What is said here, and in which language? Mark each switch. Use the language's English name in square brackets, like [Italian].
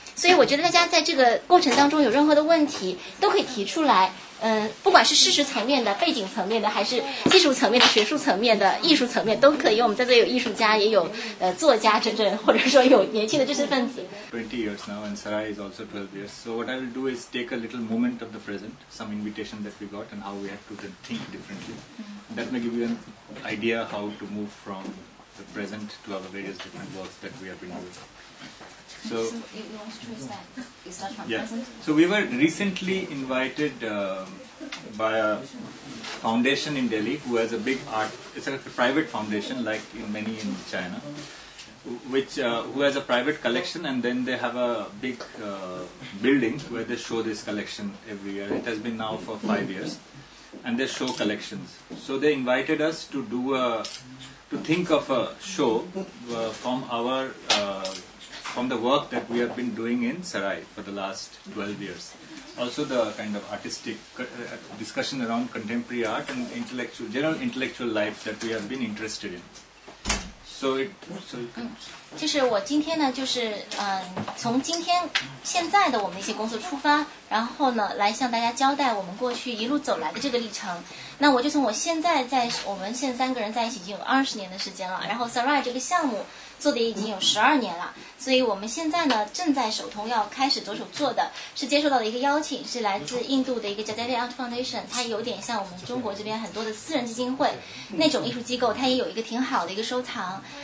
[Chinese] 所以我觉得大家在这个过程当中有任何的问题都可以提出来，不管是事实层面的、背景层面的，还是技术层面的、学术层面的、艺术层面都可以。我们在这里有艺术家，也有作家，真正或者说有年轻的知识分子。 [English] 20 years now, and Sarai is also 12 years. So what I will do is take a little moment of the present, some invitation that we got, and how we have to think differently. That may give you an idea how to move from the present to our various different works that we have been doing. So we were recently invited by a foundation in Delhi who has a big art, it's a private foundation like many in China, who has a private collection, and then they have a big building where they show this collection every year. It has been now for 5 years and they show collections. So they invited us to do to think of a show from the work that we have been doing in Sarai for the last 12 years. Also the kind of artistic discussion around contemporary art and intellectual, general intellectual life that we have been interested in. So [Chinese] 就是我今天呢，就是从今天现在的我们一些工作出发，然后呢来向大家交代我们过去一路走来的这个历程。那我就从我现在在我们现三个人在一起已经有20年的时间了，然后 Sarai 这个项目做的已经有12年了，所以我们现在呢正在手头要开始着手做的是接受到的一个邀请，是来自印度的一个 Jadavi Art Foundation， 它有点像我们中国这边很多的私人基金会那种艺术机构，它也有一个挺好的一个收藏。